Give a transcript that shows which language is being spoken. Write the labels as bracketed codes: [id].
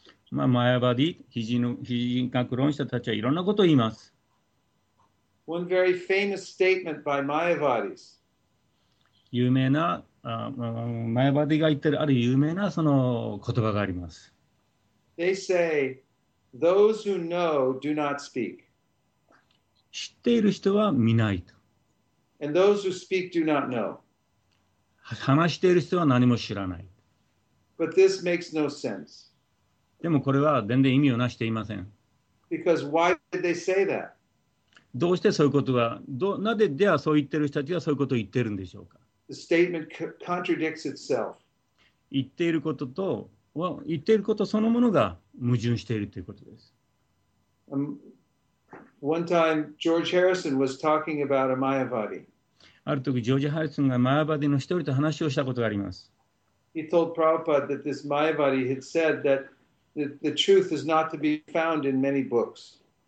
[ja] まあ、マヤバディ、非人格論者たちはいろんなことを言います。 [en] One very famous statement by Mayavadis. [ja] 有名な、マヤバディが言ってるある有名なその言葉があります。 [en] They say, those who know do not speak. [ja] 知っている人は見ないと。 [en] And those who speak do not know. [ja] 話している人は何も知らない。 [en] But this makes no sense. [ja] でもこれは全然意味をなしていません。 [en] Because why did they say that? [ja] どうしてそういうことが、なぜではそう言っている人たちがそういうことを言っているんでしょうか。 [en] The statement contradicts itself. [ja] 言っていることと、言っていることそのものが矛盾しているということです。 [en] One time, George Harrison was talking about a Mayavadi. [ja] ある時、ジョージ・ハリソンがマヤバディの一人と話をしたことがあります。 [en] He told Prabhupada that this Mayavadi had said that the truth is not to be found in many books.